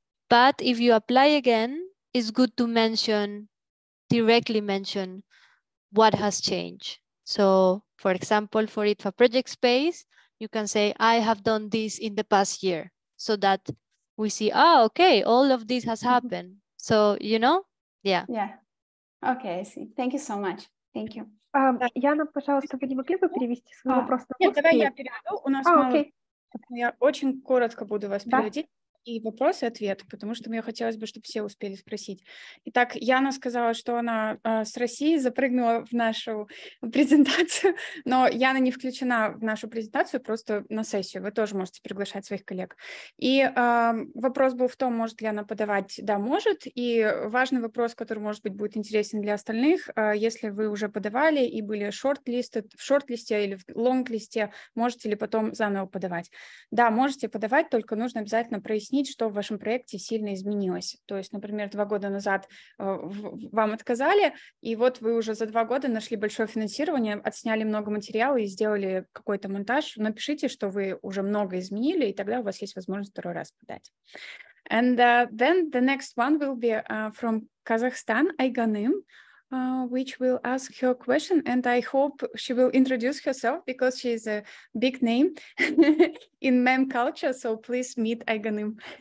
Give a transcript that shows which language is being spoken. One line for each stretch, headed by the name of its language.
English: But if you apply again, it's good to directly mention what has changed. So for example, for IDFA Project Space, you can say, I have done this in the past year, so that we see, okay, all of this has happened. So, you know, yeah. Yeah. Okay, I see. Thank you so much. Thank you.
Russian: Яна, пожалуйста, вы не могли бы перевести свой вопрос на русский? Нет, давай я переведу. У нас я очень коротко буду вас переводить. И вопрос, и ответ, потому что мне хотелось бы, чтобы все успели спросить. Итак, Яна сказала, что она с России запрыгнула в нашу презентацию, но Яна не включена в нашу презентацию, просто на сессию. Вы тоже можете приглашать своих коллег. И вопрос был в том, может ли она подавать. Да, может. И важный вопрос, который, может быть, будет интересен для остальных. Если вы уже подавали и были в шорт-листе или в лонг-листе, можете ли потом заново подавать? Да, можете подавать, только нужно обязательно прояснить, что в вашем проекте сильно изменилось. То есть, например, 2 года назад вам отказали, и вот вы уже за 2 года нашли большое финансирование, отсняли много материала и сделали какой-то монтаж. Напишите, что вы уже много изменили, и тогда у вас есть возможность 2 раз подать.
English: And then the next one will be from Kazakhstan, Ayganim, which will ask her question, and I hope she will introduce herself because she is a big name in meme culture. So please meet Ayganim.